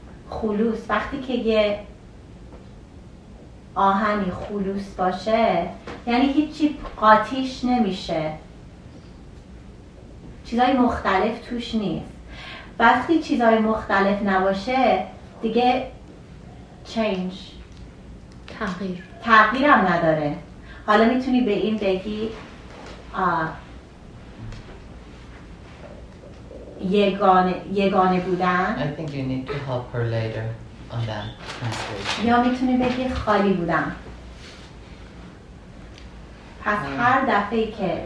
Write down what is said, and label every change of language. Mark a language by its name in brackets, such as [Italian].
[Persian] خلوص وقتی که یه آهنی خلوص باشه یعنی هیچی قاطیش نمیشه چیزای مختلف توش نیست وقتی چیزای مختلف نباشه دیگه چینج تغییر هم نداره حالا میتونی به این بگی یگانه بودن [English] I think you need to help her later on that translation [Persian] یا میتونی بگی خالی بودن پس هر دفعه که